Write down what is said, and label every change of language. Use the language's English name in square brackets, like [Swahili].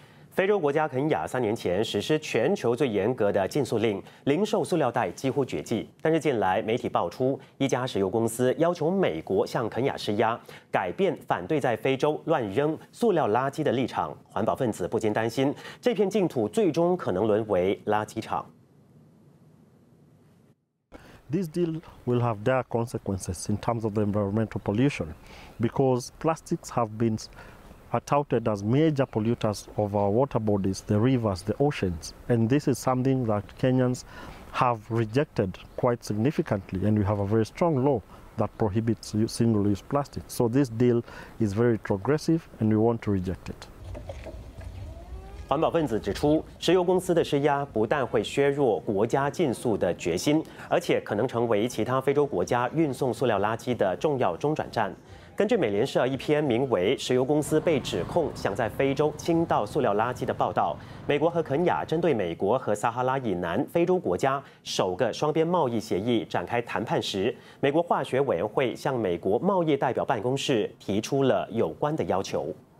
[Chinese] 非洲国家肯亚3年前实施全球最严格的禁塑令，零售塑料袋几乎绝迹。但是近来媒体爆出，一家石油公司要求美国向肯亚施压，改变反对在非洲乱扔塑料垃圾的立场。环保分子不禁担心，这片净土最终可能沦为垃圾场。 [English] This deal will have dire consequences in terms of the environmental pollution, because plastics have been touted as major polluters of our water bodies, the rivers, the oceans, and this is something that Kenyans have rejected quite significantly. And we have a very strong law that prohibits single-use plastic. So this deal is very progressive, and we want to reject it. [Chinese] 环保分子指出，石油公司的施压不但会削弱国家禁塑的决心，而且可能成为其他非洲国家运送塑料垃圾的重要中转站。根据美联社一篇名为《石油公司被指控想在非洲倾倒塑料垃圾》的报道，美国和肯亚针对美国和撒哈拉以南非洲国家首个双边贸易协议展开谈判时，美国化学委员会向美国贸易代表办公室提出了有关的要求。